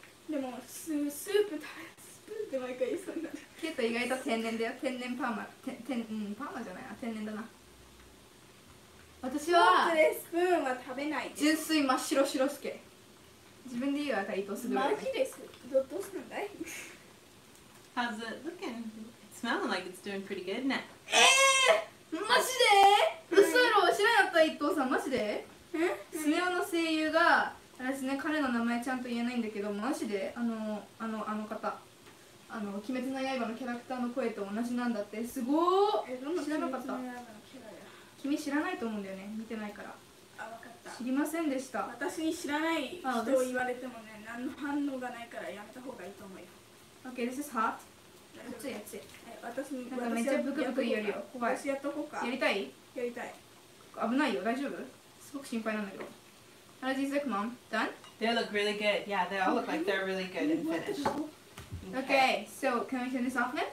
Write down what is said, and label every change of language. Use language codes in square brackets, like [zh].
[ja] でも、スープ食べる。毎回そんなケイト意外と天然だよ。天然パーマ、パーマじゃないな、天然だな。私はフォークでスプーンは食べない。純粋真っ白白すけ、自分で言うあたりとするマジです。どうすんだい。 [en] How's it looking? It's smelling like it's doing pretty good now. [ja] マジで嘘やろ、知らなかった。伊藤さんマジで、スネオの声優が私ね、彼の名前ちゃんと言えないんだけど、マジであの方、あの鬼滅の刃のキャラクターの声と同じなんだって。すごー、知らなかった。君知らないと思うんだよね、見てないから。あ、分かった、知りませんでした。私に知らない人を言われてもね、何の反応がないからやめた方がいいと思うよ。 [en] OK, this is hot. [ja] 熱い熱い。私なんかめっちゃブクブク言えるよ、怖い。私やっとこうか。やりたい、やりたい。危ないよ、大丈夫？すごく心配なんだけど。 [en] How does this look, mom? Done? They look really good. Yeah, they all look like they're really good and finished. Okay, so can we turn this off now?